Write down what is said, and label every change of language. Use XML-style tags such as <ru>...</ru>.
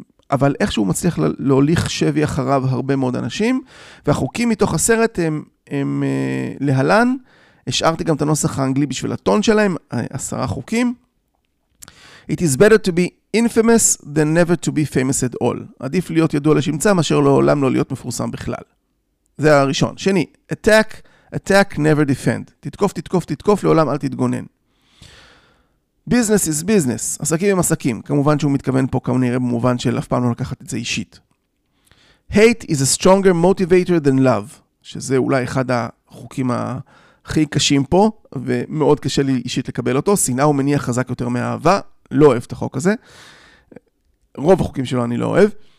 <he>אבל איכשהו מצליח להוליך שבי אחריו הרבה מאוד אנשים, והחוקים מתוך הסרט הם להלן, השארתי גם את הנוסח האנגלי בשביל הטון שלהם, 10 חוקים.</he> <en>It is better to be infamous than never to be famous at all.</en> <he>עדיף להיות ידוע לשמצה מאשר לעולם לא להיות מפורסם בכלל. זה הראשון.</he> <en>שני, attack, never defend.</en> <he>תתקוף, תתקוף, תתקוף, לעולם אל תתגונן.</he> <en>Business is business.</en> <he>עסקים הם עסקים. כמובן שהוא מתכוון פה, כמו נראה במובן של אף פעם לא לקחת את זה אישית.</he> <en>Hate is a stronger motivator than love.</en> <he>שזה אולי אחד החוקים הכי קשים פה, ומאוד קשה לי אישית לקבל אותו. שנאה הוא מניע חזק יותר מאהבה. לא אוהב את החוק הזה. רוב החוקים שלו אני לא אוהב.</he>